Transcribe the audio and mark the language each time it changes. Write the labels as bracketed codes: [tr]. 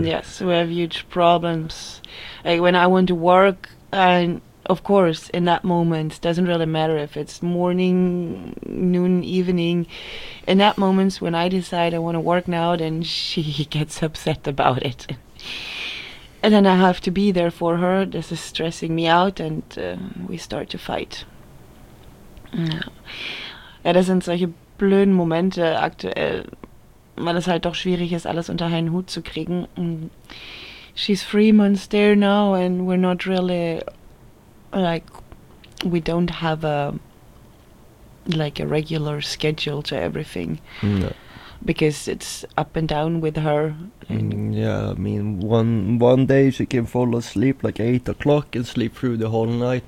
[en] Yes, we have huge problems. Like, when I want to work, and of course, in that moment, doesn't really matter if it's morning, noon, evening. In that moment, when I decide I want to work now, then she gets upset about it. And then I have to be there for her. This is stressing me out, and we start to fight. [de] Ja, das sind solche blöden Momente aktuell, weil es halt doch schwierig ist, alles unter einen Hut zu kriegen. [en] She's 3 months there now and we're not really, like, we don't have a regular schedule to everything. No. because it's up and down with her. Yeah, I mean, one day she can fall asleep like 8 o'clock and sleep through the whole night.